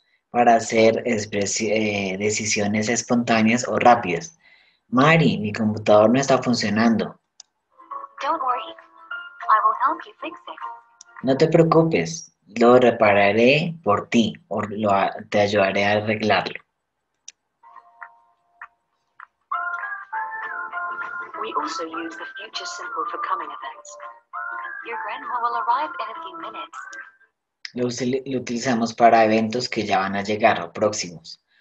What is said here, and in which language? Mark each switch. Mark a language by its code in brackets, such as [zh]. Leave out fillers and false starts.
[es] Para hacer decisiones espontáneas o rápidas. Mary, mi computador no está funcionando. [en] Don't worry. I will help you fix it. [es] No te preocupes. Lo repararé por ti o te ayudaré a arreglarlo. [en] We also use the future simple for coming events. Your grandma will arrive in a few minutes. [es] Lo utilizamos para eventos que ya van a llegar o próximos.